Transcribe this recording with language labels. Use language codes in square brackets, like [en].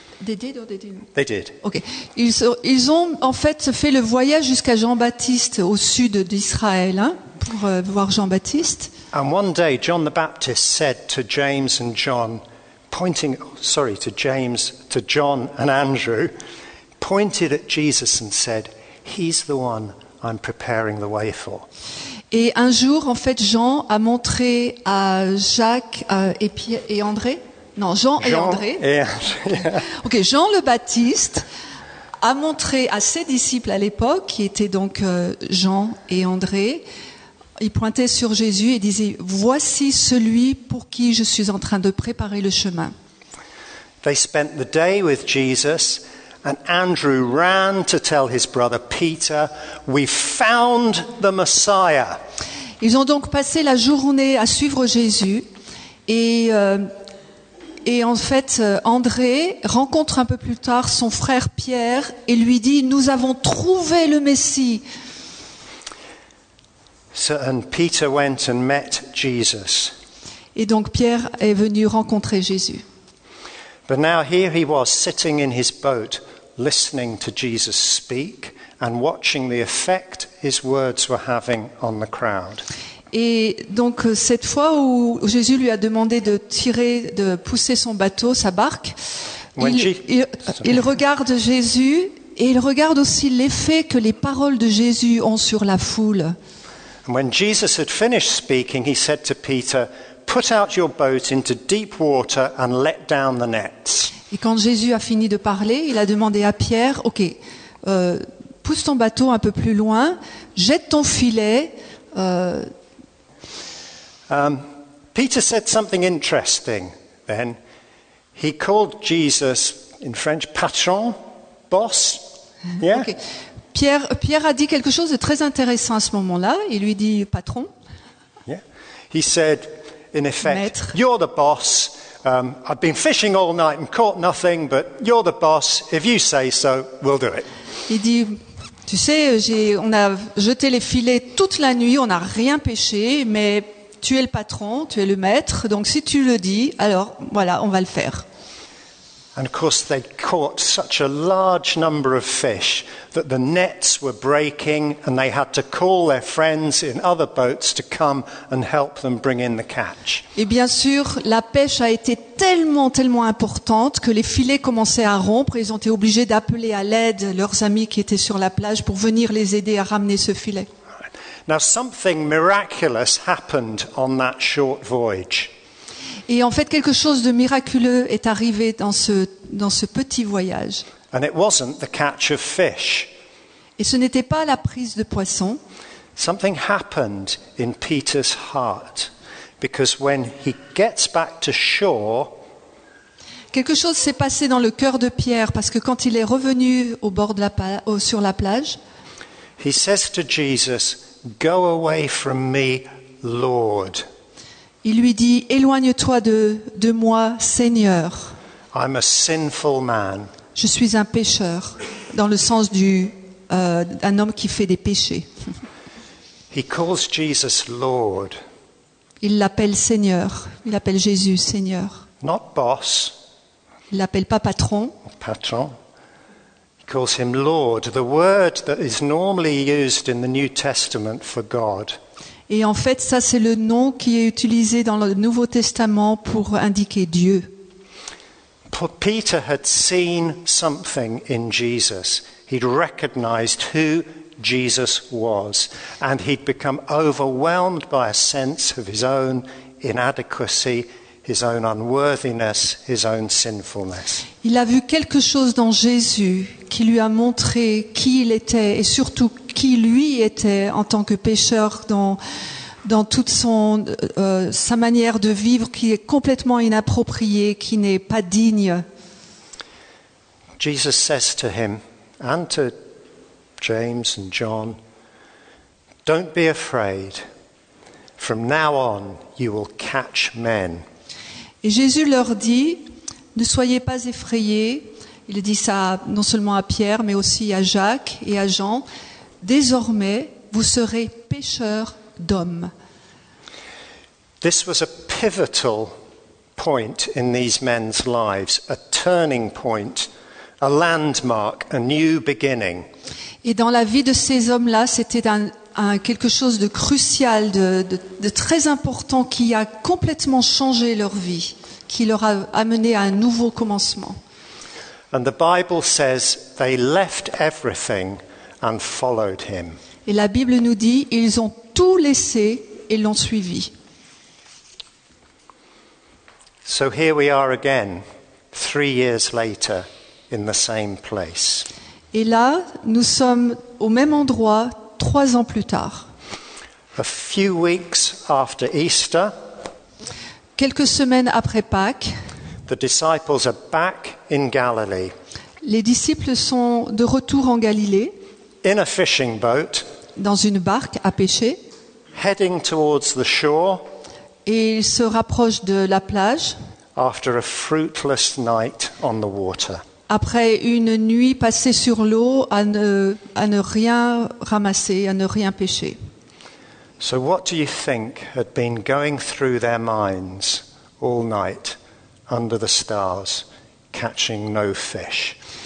[en] They did or they didn't? They did. Okay. [fr] Ils ont en fait fait le voyage jusqu'à Jean-Baptiste au sud d'Israël hein, pour voir Jean-Baptiste. [en] And one day John the Baptist said to James and John, to John and Andrew, pointed at Jesus and said, "He's the one I'm preparing the way for." [fr] Et un jour, en fait, Jean a montré à Jacques et André. Non, Jean et André. OK, Jean le Baptiste a montré à ses disciples à l'époque, qui étaient donc Jean et André. Il pointait sur Jésus et disait, voici celui pour qui je suis en train de préparer le chemin. [en] They spent the day with Jesus and Andrew ran to tell his brother Peter, "We found the Messiah." [fr] Ils ont donc passé la journée à suivre Jésus et et en fait, André rencontre un peu plus tard son frère Pierre et lui dit, nous avons trouvé le Messie. [en] So, and Peter went and met Jesus. [fr] Et donc Pierre est venu rencontrer Jésus. [en] But now here he was sitting in his boat, listening to Jesus speak and watching the effect his words were having on the crowd. [fr] Et donc cette fois où Jésus lui a demandé de tirer, de pousser son bateau, sa barque, il regarde Jésus et il regarde aussi l'effet que les paroles de Jésus ont sur la foule. [en] When Jesus had finished speaking, he said to Peter, put out your boat into deep water and let down the nets. [fr] Et quand Jésus a fini de parler, il a demandé à Pierre, OK, pousse ton bateau un peu plus loin, jette ton filet. [en] Peter said something interesting then. He called Jesus in French patron, boss. Yeah? Okay. [fr] Pierre a dit quelque chose de très intéressant à ce moment-là. Il lui dit patron. [en] Yeah. He said, in effect, maître. You're the boss. I've been fishing all night and caught nothing, but you're the boss. If you say so, we'll do it. [fr] Il dit, tu sais, on a jeté les filets toute la nuit, on n'a rien pêché, mais tu es le patron, tu es le maître. Donc si tu le dis, alors voilà, on va le faire. [en] And of course they caught such a large number of fish that the nets were breaking and they had to call their friends in other boats to come and help them bring in the catch. [fr] Et bien sûr, la pêche a été tellement, tellement importante que les filets commençaient à rompre et ils ont été obligés d'appeler à l'aide leurs amis qui étaient sur la plage pour venir les aider à ramener ce filet. [en] Now something miraculous happened on that short voyage. [fr] Et en fait, quelque chose de miraculeux est arrivé dans ce petit voyage. [en] And it wasn't the catch of fish. [fr] Et ce n'était pas la prise de poisson. [en] Something happened in Peter's heart, because when he gets back to shore, [fr] quelque chose s'est passé dans le cœur de Pierre, parce que quand il est revenu au bord de sur la plage, [en] he says to Jesus, "Go away from me, Lord." [fr] Il lui dit, éloigne-toi de moi, Seigneur. [en] I'm a sinful man. [fr] Je suis un pécheur, dans le sens d'un homme qui fait des péchés. [en] He calls Jesus Lord. [fr] Il l'appelle Seigneur, il appelle Jésus Seigneur. [en] Not boss. [fr] Il l'appelle pas patron. Patron. [en] He calls him Lord, the word that is normally used in the New Testament for God. [fr] Et en fait, ça, c'est le nom qui est utilisé dans le Nouveau Testament pour indiquer Dieu. [en] Peter had seen something in Jesus. He'd recognized who Jesus was. And he'd become overwhelmed by a sense of his own inadequacy, his own unworthiness, his own sinfulness. [fr] Il a vu quelque chose dans Jésus qui lui a montré qui il était et surtout qui lui était en tant que pécheur dans toute sa manière de vivre qui est complètement inappropriée, qui n'est pas digne. [en] Jesus says to him and to James and John, don't be afraid. From now on, you will catch men. [fr] Et Jésus leur dit, ne soyez pas effrayés. Il dit ça non seulement à Pierre, mais aussi à Jacques et à Jean. Désormais, vous serez pêcheurs d'hommes. [en] This was a pivotal point in these men's lives, a turning point, a landmark, a new beginning. [fr] Et dans la vie de ces hommes-là, c'était quelque chose de crucial, de très important qui a complètement changé leur vie, qui leur a amené à un nouveau commencement. [en] And the Bible says they left everything and followed him. [fr] Et la Bible nous dit ils ont tout laissé et l'ont suivi. [en] So here we are again, 3 years later, in the same place. [fr] Et là, nous sommes au même endroit 3 ans plus tard. [en] A few weeks after Easter, [fr] quelques semaines après Pâques, [en] the disciples are back in Galilee. [fr] Les disciples sont de retour en Galilée. [en] In a fishing boat, [fr] dans une barque à pêcher, [en] heading towards the shore, [fr] et ils se rapprochent de la plage. [en] after a fruitless night on the water. [fr] Après une nuit passée sur l'eau à ne rien ramasser, à ne rien pêcher. [en] So what do you think had been going through their minds all night under the stars, catching no fish?